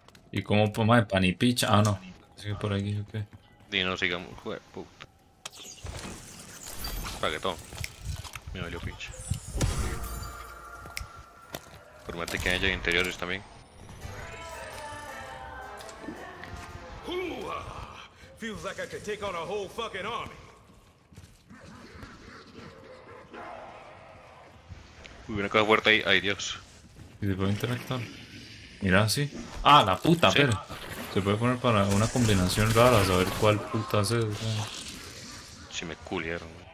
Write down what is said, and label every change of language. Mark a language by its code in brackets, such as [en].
[es] ¿Y cómo pues más de pan y picha? Ah, no. Sigue por aquí, ok. Y no sigamos, joder, puta. Pague todo. Me valió picha. Por más que haya interiores también. [en] Feels like I could take on a whole fucking army. [es] Uy, una caja fuerte ahí, ay Dios. ¿Y se puede interactuar? Mira, sí. ¡Ah, la puta! Sí. Pero se puede poner para una combinación rara, a saber cuál puta hace. Si me culieron.